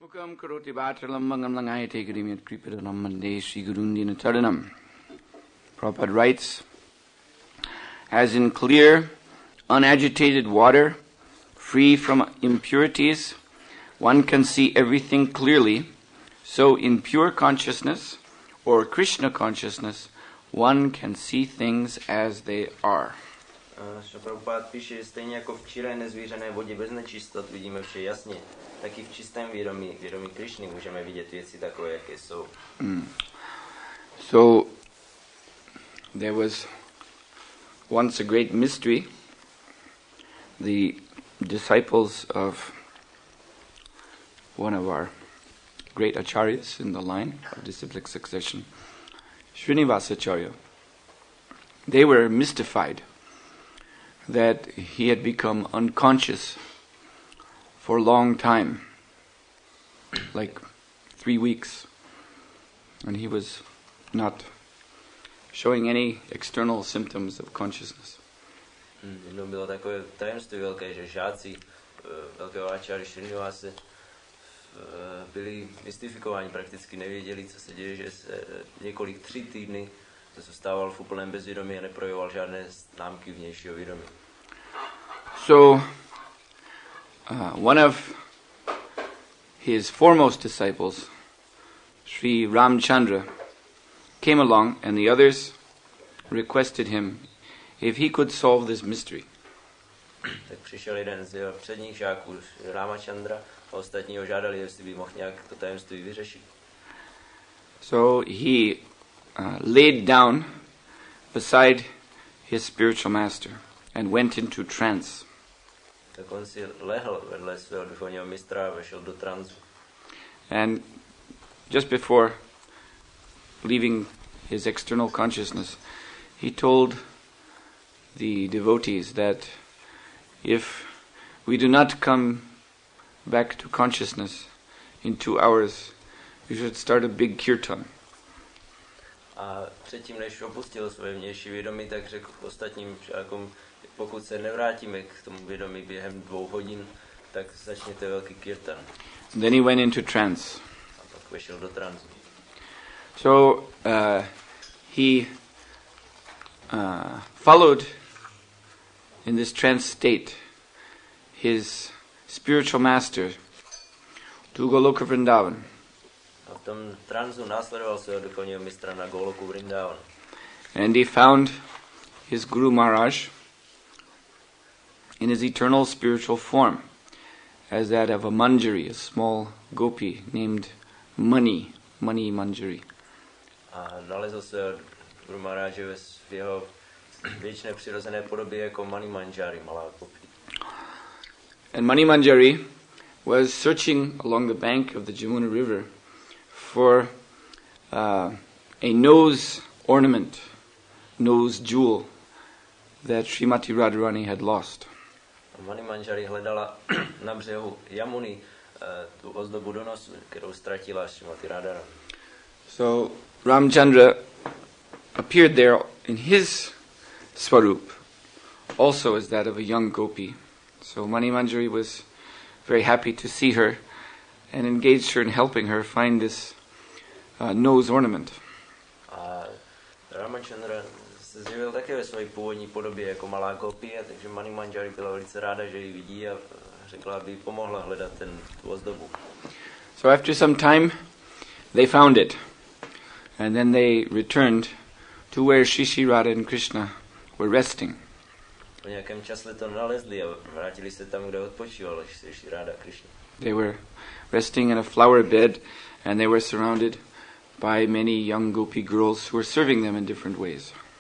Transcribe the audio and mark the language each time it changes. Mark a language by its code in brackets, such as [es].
[sa] முகம் கரோட்டி பாற்றலம் மங்கம் லங்காயத்தை கிருமியத் கிருப்பிடனம் மந்தே ஸ்ரீ குருந்தின தருணம் [en] Prabhupada writes, as in clear, unagitated water, free from impurities, one can see everything clearly, so in pure consciousness, or Krishna consciousness, one can see things as they are. [cs] Šta Prabhupada píše, stejně jako v čiré nezvířené vodě bez nečistot vidíme vše jasně, tak i v čistém vědomí, vědomí Krišny, můžeme vidět věci takové, jaké jsou. [en] So, there was once a great mystery. The disciples of one of our great acharyas in the line of disciplic succession, Srinivasa Acharya, they were mystified that he had become unconscious for a long time, like 3 weeks, and he was not showing any external symptoms of consciousness. [cs] No, bylo takové tajemství velké, že žáci velkého Ačary Srinivasy byli mystifikováni, prakticky nevěděli, co se děje, že se několik tři týdny zůstával v úplném bezvědomí a neprojevoval žádné známky vnějšího vědomí. [en] So, one of his foremost disciples, Sri Ramchandra, came along, and the others requested him if he could solve this mystery. [cs] Tak přišel jeden z jeho předních žáků, Ramachandra, a ostatní ho žádali, jestli by mohl nějak to tajemství vyřešit. [en] So he laid down beside his spiritual master and went into trance. [cs] Tak on si lehl vedle svého duchovního mistra a vešel do tranzu. [en] And just before leaving his external consciousness, he told the devotees that if we do not come back to consciousness in 2 hours, we should start a big kirtan. [cs] A předtím, než opustil své vnější vědomí, tak řekl ostatním žákům, pokud se nevrátíme k tomu vědomí během 2 hodin, tak začněte velký kirtan. [en] Then he went into trance. [cs] A pak vešel do tranzu. [en] So he followed in this trance state his spiritual master to Goloka Vrindavan. [cs] A v tom tranzu následoval svého duchovního mistra na Goloku Vrindavan. [en] And he found his Guru Maharaj in his eternal spiritual form, as that of a manjari, a small gopi named Mani, Mani Manjari. [cs] A nalezl se Guru Maharaj v jeho věčné přirozené podobě jako Mani Manjari, malá gopi. [en] And Mani Manjari was searching along the bank of the Jamuna River for a nose ornament, nose jewel, that Srimati Radharani had lost. [cs] Mani Manjari hledala na břehu Jamuny tu ozdobu do nosu, kterou ztratila Srimati Radharani. [en] So Ramchandra appeared there in his swarup, also as that of a young gopi. So Mani Manjari was very happy to see her and engaged her in helping her find this nose ornament. [cs] A Ramchandra se zjevil také ve své původní podobě jako malá kopie, takže Mani Manjari byla velice ráda, že ji vidí a řekla, aby jí pomohla hledat ten tu ozdobu. [en] So after some time, they found it. And then they returned to where Sri Radha and Krishna were resting. [cs] Po nějakém čase to nalezli a vrátili se tam, kde odpočívali Sri Radha a Krishna. [en] They were resting in a flower bed and they were surrounded by many young gopi girls who were serving them in different ways.